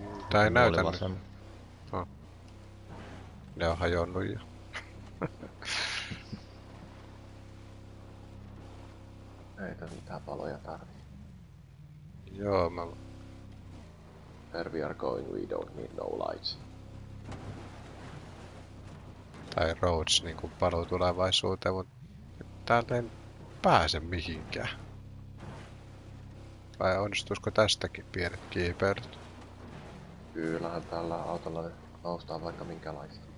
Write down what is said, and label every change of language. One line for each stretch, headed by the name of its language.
Finnish: Tää ei näytä nyt. No. Ne on hajonnut jo. Ei tässä mitään paloja tarvii. Joo, mä...
English: Where we are going, we don't need no lights.
Finnish: Tai roads niinku paluu tulevaisuuteen, mut... Täältä ei... pääse mihinkään. Vai onnistuisiko tästäkin pienet kiipeilyt? Kyllähän tällä autolla noustaan vaikka minkälaista